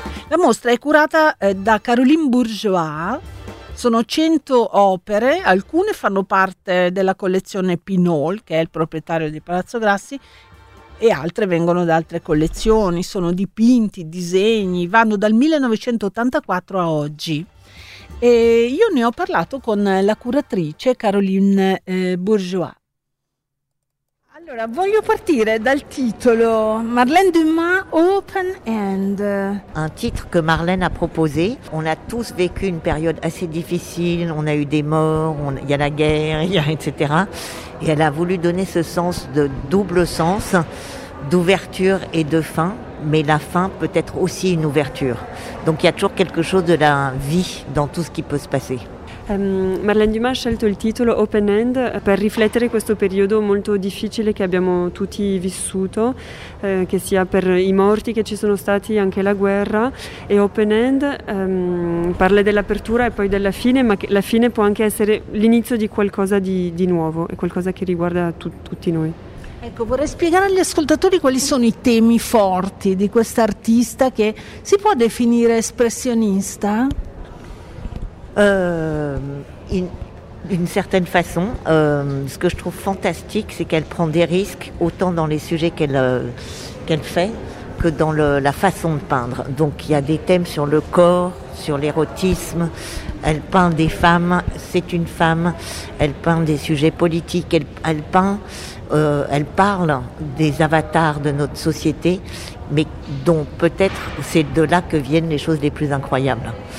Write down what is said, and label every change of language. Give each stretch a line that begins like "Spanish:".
Italian: La mostra è curata da Caroline Bourgeois. Sono 100 opere, alcune fanno parte della collezione Pinol, che è il proprietario di Palazzo Grassi, e altre vengono da altre collezioni, sono dipinti, disegni, vanno dal 1984 a oggi. E io ne ho parlato con la curatrice Caroline Bourgeois. Allora, voglio partire dal titolo Marlène Dumas Open End.
French: Un titre che Marlène a proposé. On a tous vécu une période assez difficile, on a eu des morts, il y a la guerre, etc. Et elle a voulu donner ce sens de double sens, d'ouverture et de fin, mais la fin peut être aussi une ouverture. Donc il y a toujours quelque chose de la vie dans tout ce qui peut se passer.
Italian: Marlène Dumas ha scelto il titolo Open End per riflettere questo periodo molto difficile che abbiamo tutti vissuto, che sia per i morti che ci sono stati, anche la guerra. E Open End parla dell'apertura e poi della fine, ma la fine può anche essere l'inizio di qualcosa di nuovo, è qualcosa che riguarda tutti noi. Ecco, vorrei spiegare agli ascoltatori quali sono i temi forti di quest'artista che si può definire espressionista?
French: D'une certaine façon, ce que je trouve fantastique, c'est qu'elle prend des risques autant dans les sujets qu'elle fait que dans la façon de peindre. Donc il y a des thèmes sur le corps, sur l'érotisme, elle peint des femmes, c'est une femme, elle peint des sujets politiques, elle parle des avatars de notre société, mais dont peut-être c'est de là que viennent les choses les plus incroyables.